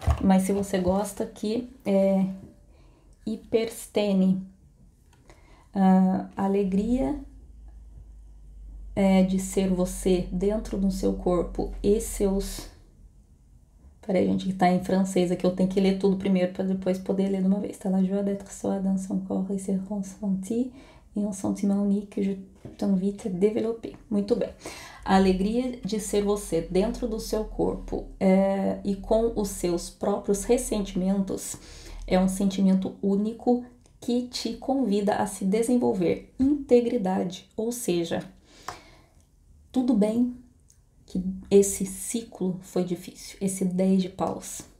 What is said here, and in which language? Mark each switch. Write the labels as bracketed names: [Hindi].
[Portuguese] Mas se você gosta, aqui é Hiperstene. Alegria é de ser você dentro do seu corpo e seus. Peraí, gente, que tá em francês aqui, eu tenho que ler tudo primeiro para depois poder ler de uma vez. [French] Tá? La joie d'être soi dans son corps et ses ressentis et un sentiment unique que je t'invite à développer. [Portuguese] Muito bem. A alegria de ser você dentro do seu corpo e com os seus próprios ressentimentos é um sentimento único que te convida a se desenvolver integridade. Ou seja, tudo bem. Que esse ciclo foi difícil, esse 10 de paus.